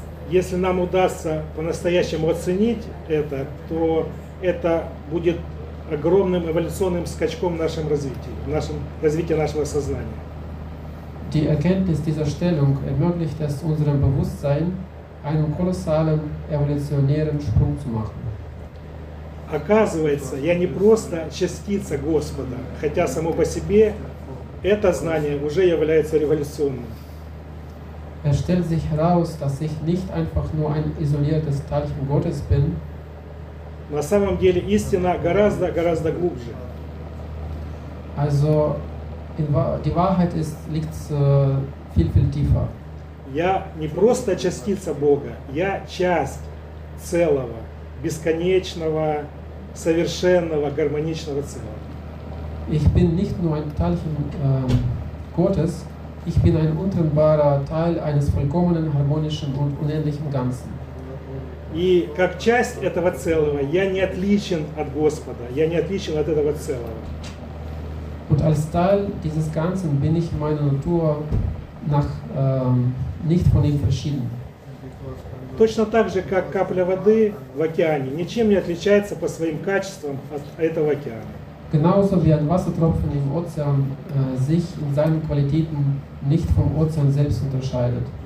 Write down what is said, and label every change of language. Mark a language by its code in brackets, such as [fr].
[ru] Если нам удастся по-настоящему оценить это, то это будет огромным эволюционным скачком в нашем развитии, в нашем развитии нашего сознания. [de] Die Erkenntnis dieser Stellung ermöglicht es unserem Bewusstsein, einen kolossalen evolutionären Sprung zu machen. [ru] Оказывается, я не просто частица Господа, хотя само по себе это знание уже является революционным. [de] Es stellt sich heraus, dass ich nicht einfach nur ein isoliertes Teilchen Gottes bin. [ru] На самом деле истина гораздо, гораздо глубже. [de] Also, die Wahrheit liegt viel, viel tiefer. [ru] Я не просто частица Бога, я часть целого, бесконечного, совершенного, гармоничного целого. [de] Ich bin nicht nur ein Teilchen Gottes, ich bin ein untrennbarer Teil eines vollkommenen, harmonischen und unendlichen Ganzen. [ru] И как часть этого целого, я не отличен от Господа, я не отличен от этого целого. [de] Und als Teil dieses Ganzen bin ich in meiner Natur nach nicht von ihm verschieden. [ru] Точно так же, как капля воды в океане ничем не отличается по своим качествам от этого океана. [de] Genauso wie ein Wassertropfen im Ozean sich in seinen Qualitäten nicht vom Ozean selbst unterscheidet.